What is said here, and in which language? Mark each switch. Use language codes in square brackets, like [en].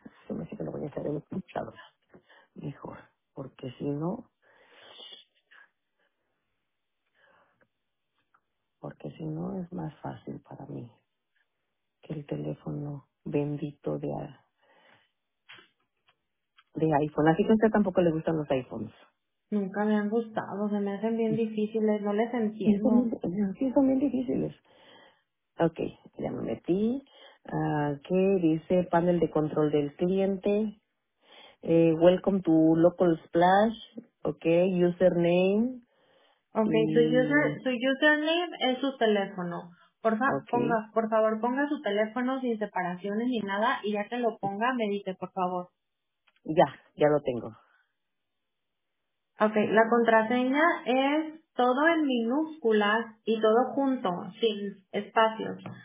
[es] Me dice que lo voy a hacer en escuchadora mejor, porque si no, es más fácil para mí que el teléfono bendito de iPhone. Así que a usted tampoco le gustan los iPhones. Nunca me han gustado, se me hacen bien difíciles, no les entiendo. Sí, son bien difíciles. Ok, ya me metí. ¿Qué dice panel de control del cliente? [en] Welcome to Local Splash. [es] Ok, username. Ok, su username es su teléfono. Por favor, ponga su teléfono sin separaciones ni nada, y ya que lo ponga, me dice, por favor. Ya, ya lo tengo. Okay, la contraseña es todo en minúsculas y todo junto, sin espacios.